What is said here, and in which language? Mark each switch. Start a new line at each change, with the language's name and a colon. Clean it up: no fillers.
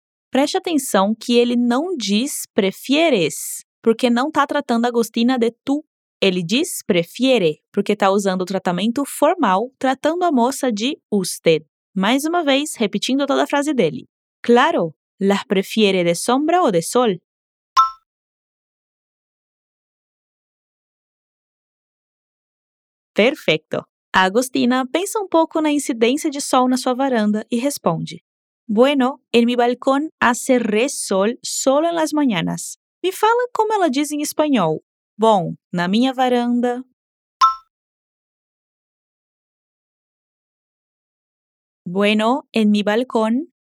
Portuguese: Preste atenção que ele não diz prefieres, porque não está tratando Agostina de tu. Ele diz prefiere, porque está usando o tratamento formal, tratando a moça de usted. Mais uma vez, repetindo toda a frase dele.
Spanish: Claro, las prefiere de sombra o de sol? Perfecto.
Portuguese: Agostina pensa um pouco na incidência de sol na sua varanda e responde.
Spanish: Bueno, en mi balcón hace re sol solo en las mañanas.
Portuguese: Me fala como ela diz em espanhol. Bom, na minha varanda.
Spanish: Bueno, en mi balcón.